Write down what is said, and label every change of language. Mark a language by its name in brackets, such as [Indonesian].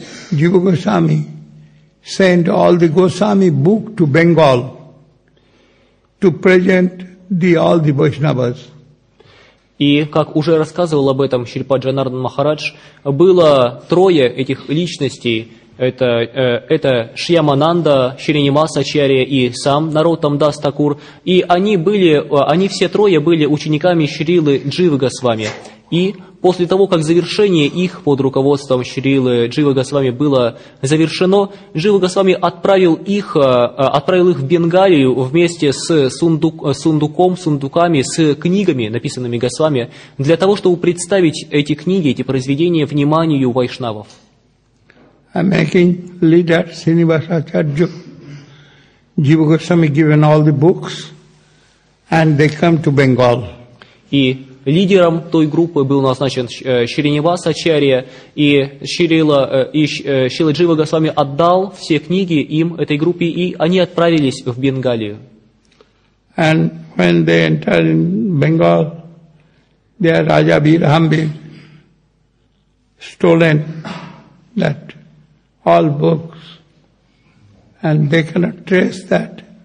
[English] Jiva Goswami sent all the Goswami book to Bengal to present all the Vaishnavas. [Russian] И, как уже рассказывал об этом Шри Паджанардан Махарадж, было трое этих личностей, это Шьямананда, Шринивас Ачарья и сам Наротам Дас Такур. И они все трое были учениками Шрилы Дживы Госвами. И после того, как завершение их под руководством Шрилы Дживы Госвами было завершено, Дживы Госвами отправил их в Бенгалию вместе с сундуками, с книгами, написанными Госвами, для того, чтобы представить эти книги, эти произведения вниманию вайшнавов. [English] I'm making leader Srinivas Acharya. Jiva Goswami given all the books, and they come to Bengal. [Russian] И лидером той группы был назначен Шринивас Ачарья, и Шрила Джива Госвами отдал все книги им, этой группе, и они отправились в Бенгалию. [English] And when they entered in Bengal, their Raja Birhambir stolen that all books, and they cannot trace that.